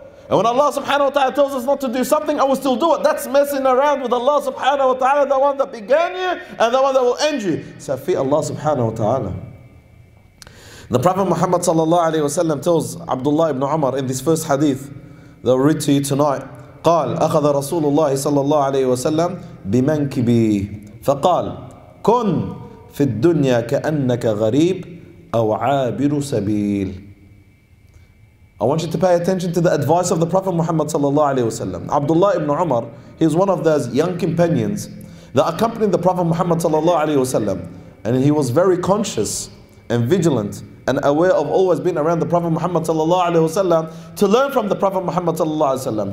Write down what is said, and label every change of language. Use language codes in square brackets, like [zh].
[en] And when Allah subhanahu wa ta'ala tells us not to do something and we still do it. That's messing around with Allah subhanahu wa ta'ala, the one that began you and the one that will end you. So fear Allah subhanahu wa ta'ala. The Prophet Muhammad sallallahu alayhi wa sallam tells Abdullah ibn Umar in this first hadith that I'll read to you tonight. [ar] قال أخذ رسول الله صلى الله عليه وسلم بمنكبي فقال كن في الدنيا كأنك غريب أو عابر سبيل. [en] I want you to pay attention to the advice of the Prophet Muhammad sallallahu alaihi wasallam. Abdullah ibn Umar, he is one of those young companions that accompanied the Prophet Muhammad sallallahu alaihi wasallam, and he was very conscious and vigilant and aware of always being around the Prophet Muhammad sallallahu alaihi wasallam to learn from the Prophet Muhammad sallallahu alaihi wasallam.